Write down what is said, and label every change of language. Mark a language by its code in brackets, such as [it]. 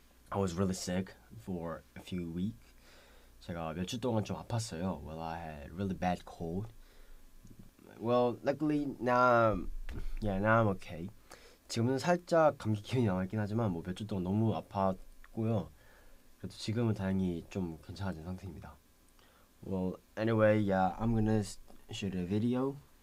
[en] I was really sick for a few weeks. [ko] 제가 며칠 동안 좀 아팠어요. [en] Well, I had really bad cold. Well, luckily now I'm okay. [ko] 지금은 살짝 감기 기운이 남아있긴 하지만 뭐 며칠 동안 너무 아팠고요. 그래도 지금은 다행히 좀 괜찮아진 상태입니다. [en] Well, anyway, yeah, I'm gonna shoot a video.